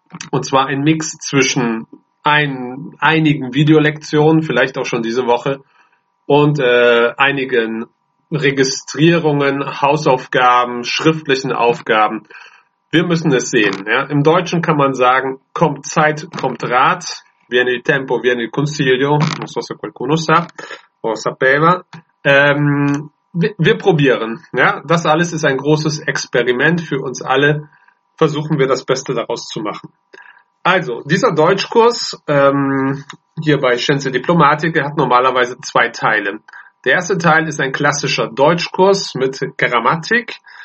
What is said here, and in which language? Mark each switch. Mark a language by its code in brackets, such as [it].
[de] Und zwar einen Mix zwischen einigen Videolektionen, vielleicht auch schon diese Woche, und einigen Registrierungen, Hausaufgaben, schriftlichen Aufgaben. Wir müssen es sehen. Ja. Im Deutschen kann man sagen, kommt Zeit, kommt Rat. [it] Viene il tempo, viene il consiglio. Non so se qualcuno sa o sapeva. [de] Wir probieren. Ja. Das alles ist ein großes Experiment für uns alle. Versuchen wir, das Beste daraus zu machen. Also, dieser Deutschkurs hier bei Scienze Diplomatica hat normalerweise zwei Teile. Der erste Teil ist ein klassischer Deutschkurs mit Grammatik.